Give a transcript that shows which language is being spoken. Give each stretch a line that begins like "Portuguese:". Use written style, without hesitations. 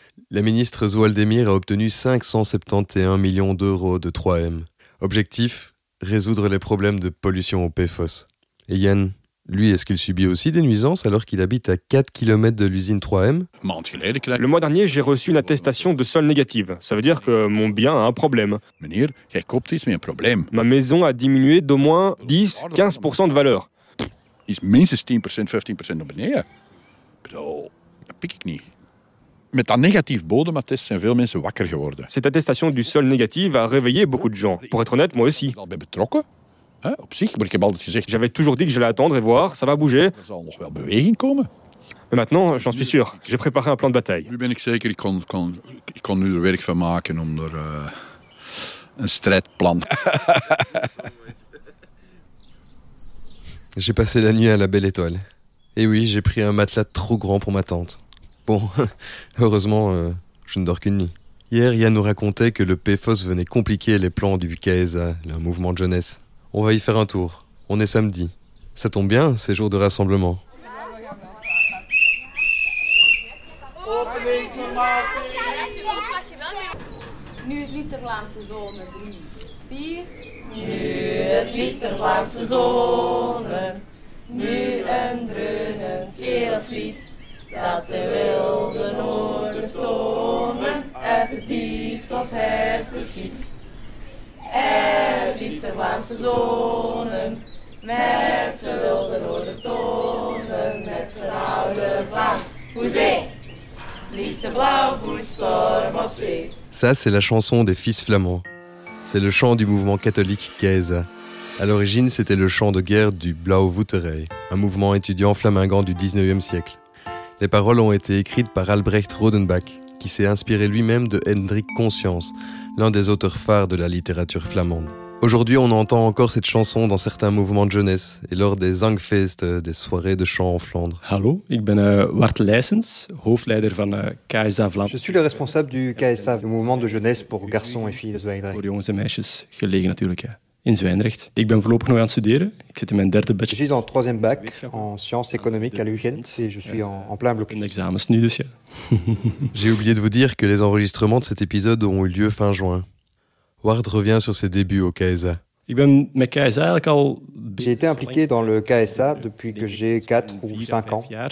French: La ministre Zwaldemir a obtenu 571 millions d'euros de 3M. Objectif : résoudre les problèmes de pollution au PFOS. Et Yann, Lui, est-ce qu'il subit aussi des nuisances alors qu'il habite à 4 km de l'usine 3M ? Le mois dernier, j'ai reçu une attestation de sol négative. Ça veut dire que mon bien a un problème. Ma maison a diminué d'au moins 10-15% de valeur.
Dutch: Is minstens 10%, 15% naar beneden. Dat pik ik niet. Met dat negatief bodemattest zijn veel mensen wakker geworden.
French: Cette attestation du sol négatif a réveillé beaucoup de gens. Pour être honnête, moi aussi.
Dutch: Ik ben betrokken. Hein, op zich, maar ik heb altijd gezegd...
French: J'avais toujours dit que j'allais attendre et voir, ça va bouger.
Dutch: Er zal nog wel beweging komen.
French: Mais maintenant, j'en suis sûr. J'ai préparé un plan de bataille.
Dutch: Nu ben ik zeker, ik kon nu er werk van maken om er een strijdplan...
French: J'ai passé la nuit à la Belle Étoile. Et oui, j'ai pris un matelas trop grand pour ma tente. Bon, heureusement, je ne dors qu'une nuit. Hier, Yann nous racontait que le PFOS venait compliquer les plans du CAESA, le mouvement de jeunesse. On va y faire un tour. On est samedi. Ça tombe bien, c'est jour de rassemblement.
Dutch: Nu een dreunend keelswiet, dat de wilde noordertonen uit het diepst als herten schiet. Er liet de Vlaamse zonen, met zijn wilde noordertonen, met zijn oude Vlaams hoezee. Liet de blauwvoet storm op zee.
French: Ça, c'est la chanson des fils flamands. C'est le chant du mouvement catholique CAESA. À l'origine, c'était le chant de guerre du Blauwe Voeterij, un mouvement étudiant flamingant du 19e siècle. Les paroles ont été écrites par Albrecht Rodenbach, qui s'est inspiré lui-même de Hendrik Conscience, l'un des auteurs phares de la littérature flamande. Aujourd'hui, on entend encore cette chanson dans certains mouvements de jeunesse et lors des Zangfest, des soirées de chant en Flandre.
Dutch: Hallo, ik ben Wart Leysens, hoofdleider van CAESA Vlaanderen.
French: Je suis le responsable du CAESA, le mouvement de jeunesse pour garçons et filles de Zwijndrecht.
Dutch: Voor jongens en meisjes, gelegen natuurlijk, ja. In Zwijndrecht. Ik ben voorlopig nog aan het studeren. Ik zit in mijn derde bachelor.
French: Je suis en troisième bac en sciences économiques à l'UGent. Et je suis en plein blocus. Un examen,
Dutch: nu dus, ja.
French: J'ai oublié de vous dire que les enregistrements de cet épisode ont eu lieu fin juin. Ward revient sur ses débuts au CAESA. J'ai été impliqué dans le CAESA depuis que j'ai 4 ou 5 ans.